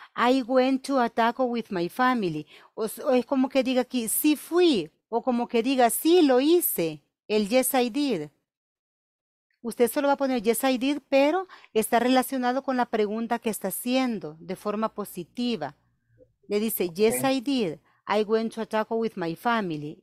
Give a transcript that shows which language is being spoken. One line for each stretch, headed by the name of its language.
English: I went to a taco with my family.
Spanish: O es como que diga aquí, sí fui. O como que diga, sí, lo hice. El
English: yes, I did.
Spanish: Usted solo va a poner yes, I did, pero está relacionado con la pregunta que está haciendo de forma positiva. Le dice, okay.
English: Yes, I did. I went to a taco with my family.